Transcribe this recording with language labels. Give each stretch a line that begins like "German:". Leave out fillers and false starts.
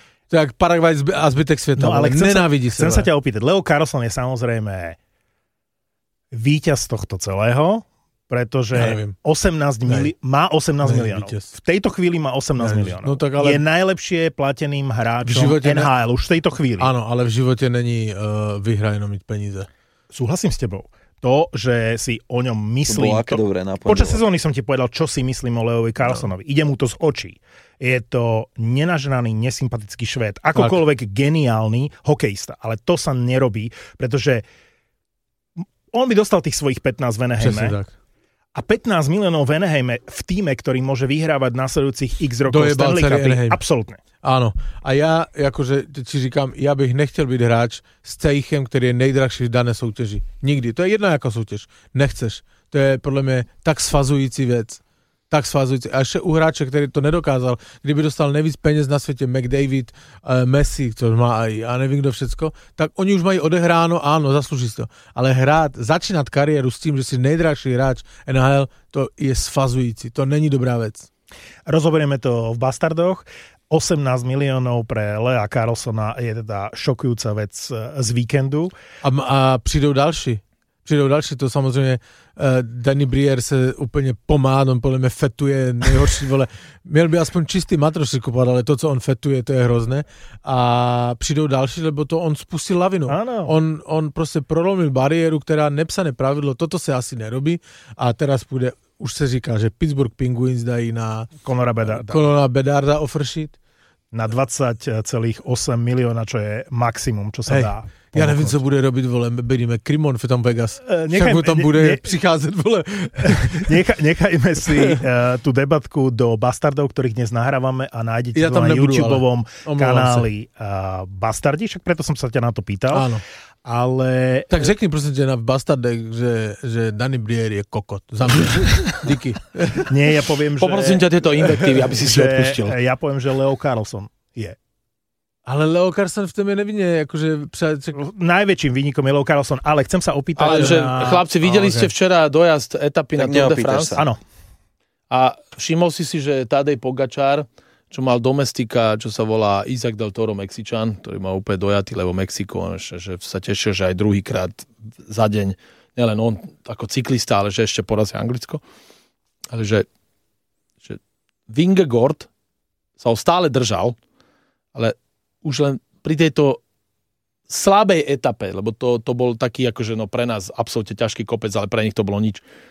Czech: To je jak Paraguay a zbytek světa, no, ale nenávidí se.
Slovak: Chcem se tě opýtat, Leo Carlson je samozřejmě víťaz tohto celého, pretože ja 18 má 18 miliónov. V tejto chvíli má 18 miliónov. No, je najlepšie plateným hráčom NHL už v tejto chvíli. Áno, ale v živote není vyhrajeno mať peníze. Súhlasím s tebou. To, že si o ňom myslím... To bolo dobre, počas sezóny som ti povedal, čo si myslím o Leovi Carlsonovi. No. Ide mu to z očí. Je to nenažraný, nesympatický Švéd. Akokoľvek geniálny hokejista. Ale to sa nerobí, pretože on by dostal tých svojich 15 v Anaheime. A 15 miliónov v Anaheime v týme, ktorý môže vyhrávať nasledujúcich x rokov Stanley Cupy. Absolútne.
Czech: Áno. A ja, akože ti říkam, ja bych nechcel byť hráč s Cejchem, ktorý je nejdrahší v dané soutěži. Nikdy. To je jedna jako soutěž. Nechceš.
Slovak: To je podľa mňa tak svazující vec. Tak svazující.
Czech: A ešte u hráče, ktorý to nedokázal, kdyby dostal nejvíc peněz na svete, McDavid, Messi, ktorý má aj, a nevím kdo všecko, tak oni už mají odehráno, áno, zaslúži si to. Ale hrát, začínat kariéru s tým, že si nejdražší hráč NHL, to je svazující. To není dobrá vec.
Slovak: Rozoberieme to v Bastardoch. 18 miliónov pre Lea Carlsona je teda šokujúca vec z víkendu.
Czech: A přijdou další. Přijdou další, to samozřejmě Danny Briere se úplně pomád, on podle mě fetuje nejhorší, vole. Měl by aspoň čistý matrosy kupovat, ale to, co on fetuje, to je hrozné. A přijdou další, lebo to on spustil lavinu. Ano. On prostě prolomil bariéru, která nepsané pravidlo, toto se asi nerobí a teraz půjde už se říká, že Pittsburgh Penguins dají na Conora Bedarda. Conora Bedarda offershit.
Slovak: Na 20,8 milióna, čo je maximum, čo sa dá. Ja neviem, co bude robiť, vole, berieme Krimon v tom Vegas. Nechajme, tam bude přicházet, vole. Nechajme si tú debatku do Bastardov, ktorých dnes nahrávame a nájdete ja to na YouTube-ovom kanáli Bastardi, však preto som sa ťa na to pýtal. Áno. Ale...
Czech: Tak řekni prosím ťa na Bastardek, že Danny Briere je kokot.
Slovak: Za mňa. Díky. Nie, ja poviem, že... Poprosím ťa tieto invektívy, aby si si odpustil. Ja poviem, že Leo Carlson je. Ale Leo Carlson v tom je nevinne. Akože... Najväčším výnikom je Leo Carlson, ale chcem sa opýtať... Ale že, na... chlapci, videli ste včera dojazd etapy tak na Tour de France? Áno. A všimol si si, že Tadej Pogačar, čo mal domestika, čo sa volá Isaac del Toro Mexičan, ktorý má úplne dojatý, lebo Mexiko, že sa tešil, že aj druhýkrát za deň, nielen on ako cyklista, ale že ešte porazí Anglicko, ale že Vingegaard sa ho stále držal, ale už len pri tejto slabej etape, lebo to bol taký akože no pre nás absolútne ťažký kopec, ale pre nich to bolo nič.